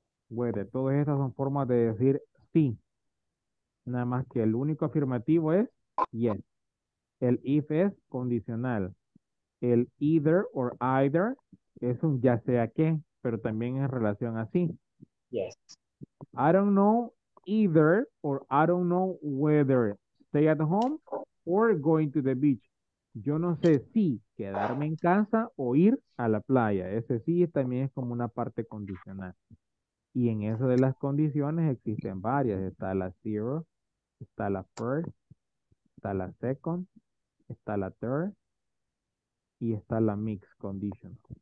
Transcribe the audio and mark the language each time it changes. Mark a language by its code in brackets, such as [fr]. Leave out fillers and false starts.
[es] Whether, todas estas son formas de decir sí. Nada más que el único afirmativo es yes. El if es condicional. El either or either es un ya sea que, pero también en relación a sí. [en] I Yes. don't know either or I don't know whether stay at home or going to the beach. [es] Yo no sé si quedarme en casa o ir a la playa. Ese sí también es como una parte condicional. Y en eso de las condiciones existen varias. Está la zero, está la first, está la second, está la third y está la mixed condition.